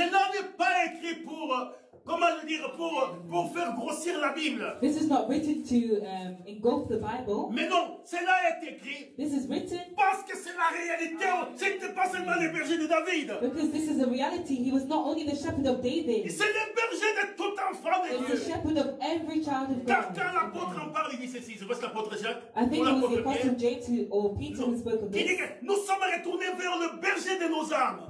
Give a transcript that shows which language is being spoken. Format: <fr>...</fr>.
<fr>Cela n'est pas écrit pour, comment dire, pour faire grossir la Bible.</fr> <en>This is not written to engulf the Bible.</en> <fr>Mais non, cela est écrit.</fr> <en>This is written.</en> <fr>Parce que c'est la réalité. Ce n'était pas seulement le berger de David.</fr> <en>Because this is a reality. He was not only the shepherd of David.</en> <fr>C'est le berger de tout enfant de</fr> <en>it's</en> <fr>Dieu.</fr> <en>The shepherd of every child of God.</en> <fr>Car quand l'apôtre en parle, il dit ceci. Je pense l'apôtre Jacques.</fr> <en>I think it was the apostle James or Peter who spoke of this.</en> <fr>Il dit que nous sommes retournés vers le berger de nos âmes.</fr>